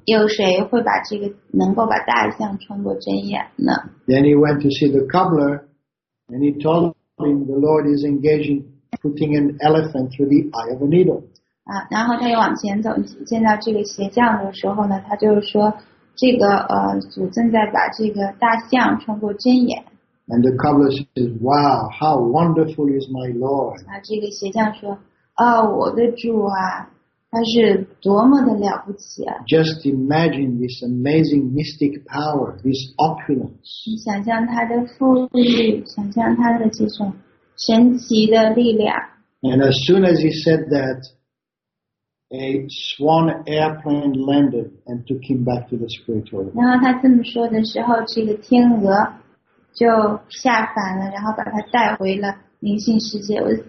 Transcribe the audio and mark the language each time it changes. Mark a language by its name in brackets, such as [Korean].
[Chinese] 有谁会把这个能够把大象穿过针眼呢？ [English] Then he went to see the cobbler, and he told him the Lord is engaged in putting an elephant through the eye of a needle. [Chinese] 然后他又往前走，见到这个鞋匠的时候呢，他就说，这个主正在把这个大象穿过针眼。 [English] And the cobbler says, "Wow, how wonderful is my Lord!" [Chinese] 这个鞋匠说，我的主啊，他是多么的了不起啊 [English] ！Just imagine this amazing mystic power, this opulence. [Chinese] 你想象他的富裕，想象他的这种神奇的力量。 [English] And as soon as he said that. A swan airplane landed and took him back to the spiritual world. [Chinese] 然后他这么说的时候，这个天鹅就下凡了，然后把他带回了灵性世界。